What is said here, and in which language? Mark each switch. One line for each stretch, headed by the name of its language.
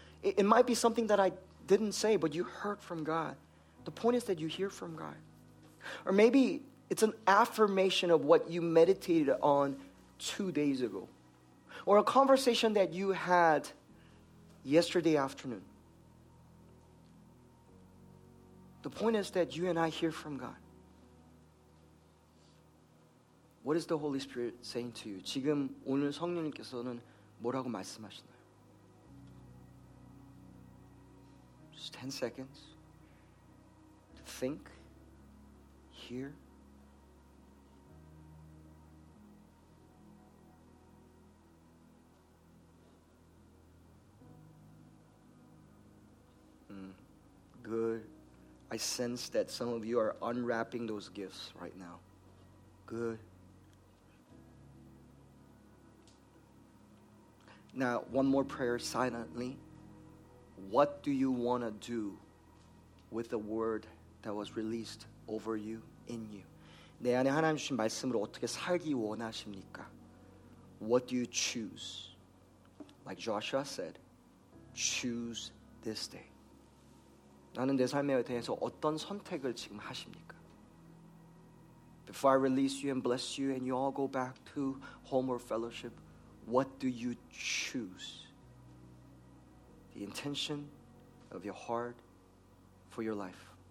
English: It might be something that I didn't say, but you heard from God. The point is that you hear from God. Or maybe it's an affirmation of what you meditated on 2 days ago. Or a conversation that you had yesterday afternoon. The point is that you and I hear from God. What is the Holy Spirit saying to you?
Korean: 지금 오늘 성령님께서는 뭐라고 말씀하시나요?
English: Just 10 seconds to think, hear. Good. I sense that some of you are unwrapping those gifts right now. Good. Now, one more prayer silently. What do you want to do with the word that was released over you, in you?
Korean: 내 안에 하나님 주신 말씀으로 어떻게 살기 원하십니까?
English: What do you choose? Like Joshua said, choose this day.
Korean: 나는 내 삶에 대해서 어떤 선택을 지금 하십니까?
English: Before I release you and bless you and you all go back to home or fellowship, what do you choose? The intention of your heart for your life.